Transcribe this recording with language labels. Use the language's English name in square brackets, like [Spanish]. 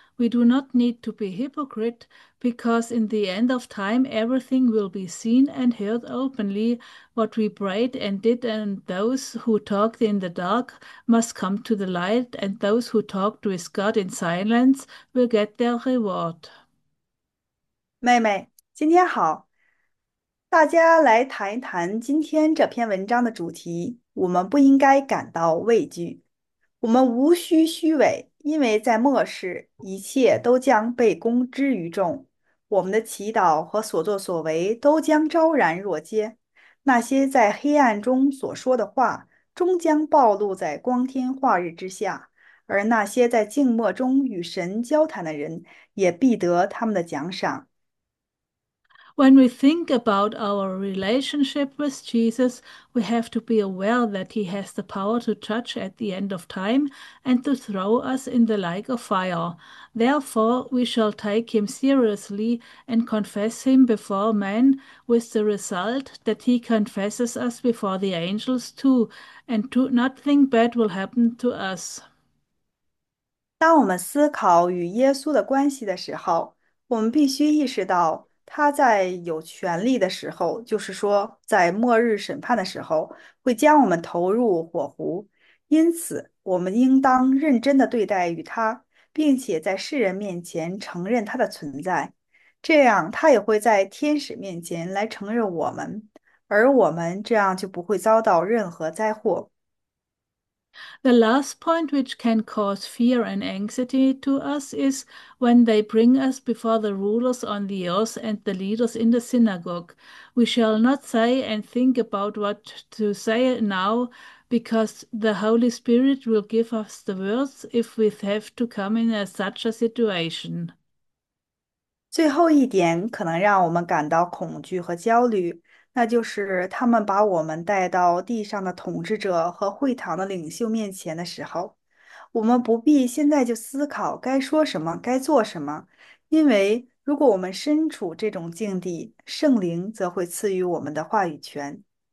[English] We do not need to be hypocrite because in the end of time, everything will be seen and heard openly, what we prayed and did, and those who talked in the dark must come to the light, and those who talked with God in silence will get their reward. [Chinese] 妹妹，今天好，大家来谈一谈今天这篇文章的主题。我们不应该感到畏惧，我们无需虚伪，因为在末世，一切都将被公之于众，我们的祈祷和所作所为都将昭然若揭。那些在黑暗中所说的话，终将暴露在光天化日之下，而那些在静默中与神交谈的人，也必得他们的奖赏。 [English] When we think about our relationship with Jesus, we have to be aware that he has the power to judge at the end of time and to throw us in the lake of fire. Therefore, we shall take him seriously and confess him before men, with the result that he confesses us before the angels too, and to nothing bad will happen to us. [Chinese] 当我们思考与耶稣的关系的时候，我们必须意识到，他在有权力的时候，就是说在末日审判的时候，会将我们投入火湖。因此，我们应当认真地对待与他，并且在世人面前承认他的存在，这样他也会在天使面前来承认我们，而我们这样就不会遭到任何灾祸。 [English] The last point which can cause fear and anxiety to us is when they bring us before the rulers on the earth and the leaders in the synagogue. We shall not say and think about what to say now, because the Holy Spirit will give us the words if we have to come in a such a situation. [Chinese] 最后一点可能让我们感到恐惧和焦虑，那就是他们把我们带到地上的统治者和会堂的领袖面前的时候，我们不必现在就思考该说什么、该做什么，因为如果我们身处这种境地，圣灵则会赐予我们的话语权。